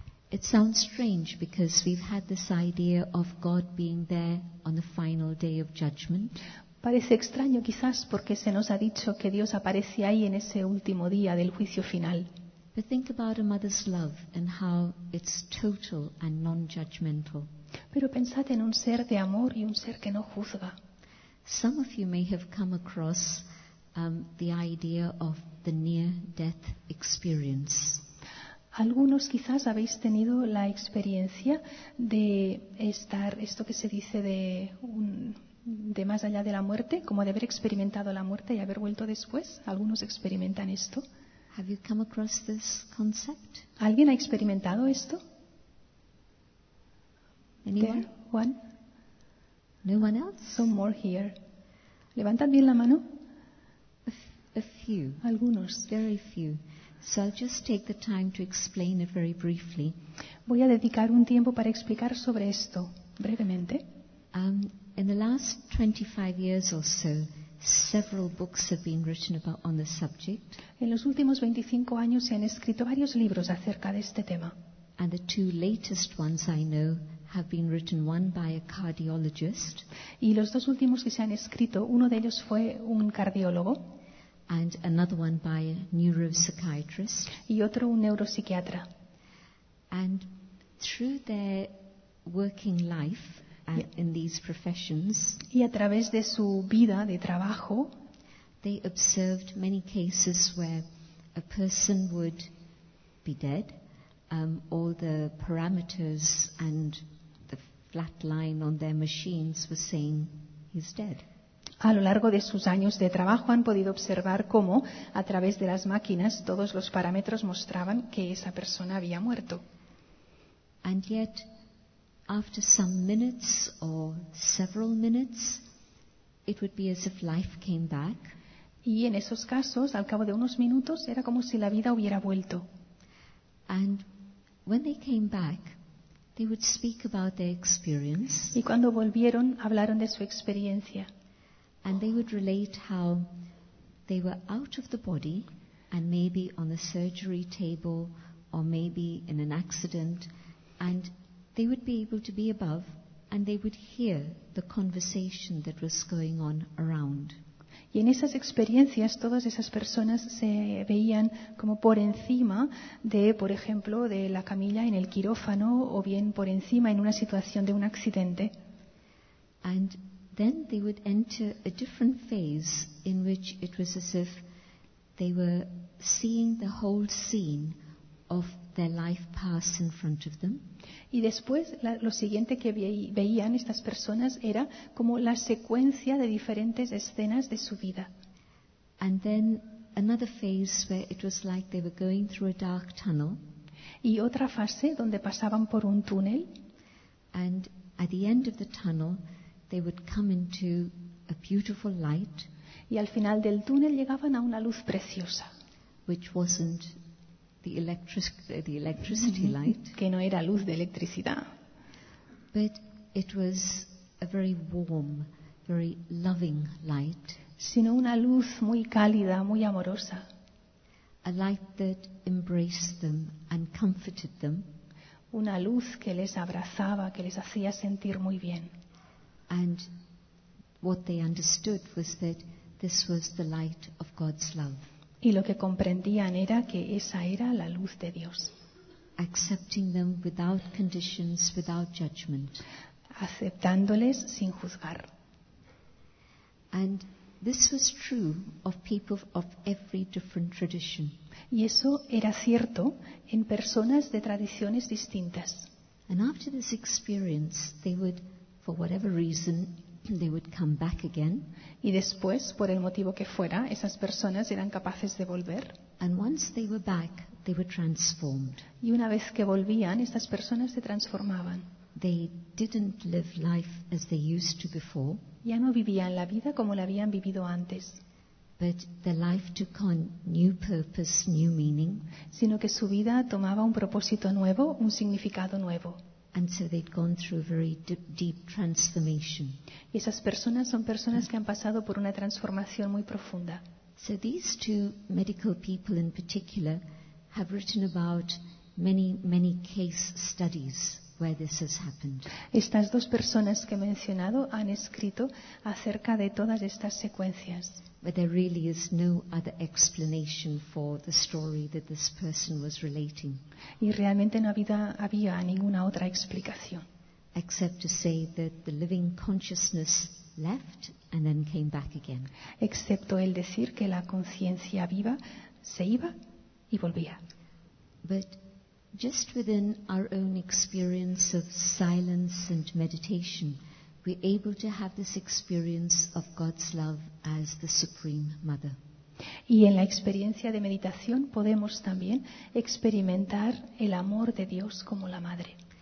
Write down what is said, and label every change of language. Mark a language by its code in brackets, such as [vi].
[en] It sounds strange because we've had this idea of God being there on the final day of judgment. [es] Parece extraño quizás porque se nos ha dicho que Dios aparece ahí en ese último día del juicio final. [en] But think about a mother's love and how it's total and non-judgmental. [es] Pero pensad en un ser de amor y un ser que no juzga. [en] Some of you may have come across the idea of the near-death experience. [es] Algunos quizás habéis tenido la experiencia de estar, esto que se dice de más allá de la muerte, como de haber experimentado la muerte y haber vuelto después. Algunos experimentan esto. [en] Have you come across this concept? [es] ¿Alguien ha experimentado esto? [en] Anyone? One? No one else? Some more here. [es] Levantad bien la mano. [en] A few. [es] Algunos. [en] Very few. So I'll just take the time to explain it very briefly. [es] Voy a dedicar un tiempo para explicar sobre esto brevemente. [en] In the last 25 years or so, several books have been written about on the subject. [es] En los últimos 25 años se han escrito varios libros acerca de este tema. [en] And the two latest ones I know have been written, one by a cardiologist. [es] Y los dos últimos que se han escrito, uno de ellos fue un cardiólogo. [en] And another one by a neuropsychiatrist. [es] Y otro un neuropsiquiatra. [en] And through their working life in these professions, [es] y a través de su vida de trabajo, [en] they observed many cases where a person would be dead, all the parameters and the flat line on their machines were saying he's dead. [es] A lo largo de sus años de trabajo han podido observar cómo, a través de las máquinas, todos los parámetros mostraban que esa persona había muerto. [en] And yet, after some minutes or several minutes, it would be as if life came back. [es] Y en esos casos, al cabo de unos minutos, era como si la vida hubiera vuelto. [en] And when they came back, they would speak about their experience. [es] Y cuando volvieron, hablaron de su experiencia. [en] And they would relate how they were out of the body and maybe on the surgery table or maybe in an accident, and they would be able to be above and they would hear the conversation that was going on around. [es] Y en esas experiencias todas esas personas se veían como por encima de, por ejemplo, de la camilla en el quirófano o bien por encima en una situación de un accidente. [en] And then they would enter a different phase in which it was as if they were seeing the whole scene of their life pass in front of them. [es] Y después lo siguiente que veían estas personas era como la secuencia de diferentes escenas de su vida. [en] And then another phase where it was like they were going through a dark tunnel. [es] Y otra fase donde pasaban por un túnel. [en] And at the end of the tunnel they would come into a beautiful light. [es] Y al final del túnel llegaban a una luz preciosa. [en] Which wasn't the electricity light. [es] Que no era luz de electricidad. [en] But it was a very warm, very loving light. [es] Sino una luz muy cálida, muy amorosa. [en] A light that embraced them and comforted them. [es] Una luz que les abrazaba, que les hacía sentir muy bien. [en] And what they understood was that this was the light of God's love. [es] Y lo que comprendían era que esa era la luz de Dios. [en] Accepting them without conditions, without judgment. [es] Aceptándoles sin juzgar. [en] And this was true of people of every different tradition. [es] Y eso era cierto en personas de tradiciones distintas. [en] And after this experience, they would, for whatever reason, they would come back again. [es] Y después, por el motivo que fuera, esas personas eran capaces de volver. [en] And once they were back, they were transformed. [es] Y una vez que volvían, estas personas se transformaban. [en] They didn't live life as they used to before. [es] Ya no vivían la vida como la habían vivido antes. [en] But their life took on new purpose, new meaning. [es] Sino que su vida tomaba un propósito nuevo, un significado nuevo. [en] And so they'd gone through a very deep transformation. [es] Y esas personas son personas que han pasado por una transformación muy profunda. [en] So these two medical people in particular have written about many, many case studies where this has happened. [es] Estas dos personas que he mencionado han escrito acerca de todas estas secuencias. [en] But there really is no other explanation for the story that this person was relating. [es] Y realmente no había ninguna otra explicación. [en] Except to say that the living consciousness left and then came back again. [es] Excepto el decir que la conciencia viva se iba y volvía. [en] But just within our own experience of silence and meditation, we're able to have this experience of God's love as the Supreme Mother. [es] Y en la experiencia de meditación podemos también experimentar el amor de Dios como la madre.